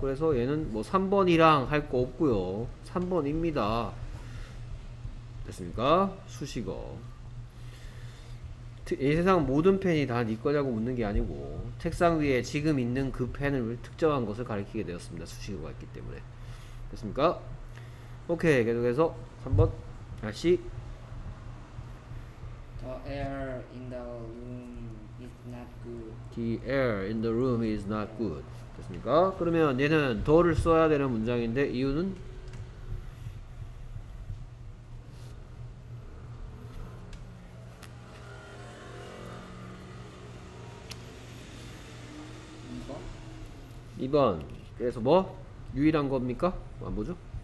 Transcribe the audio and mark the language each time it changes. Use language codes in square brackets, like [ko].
[ko] 그래서 얘는 뭐 3번이랑 할 거 없고요. 3번입니다. 됐습니까? 수식어. 이 세상 모든 펜이 다 네 거냐고 묻는 게 아니고 책상 위에 지금 있는 그 펜을 특정한 것을 가리키게 되었습니다. 수식어가 있기 때문에. 됐습니까? 오케이, 계속해서 3번 다시. [en] The air in the room is not good. The air in the room is not good. [ko] 됐습니까? 그러면 얘는 더를 써야 되는 문장인데 이유는? 2번. 그래서 뭐? 유일한 겁니까? 안 보죠?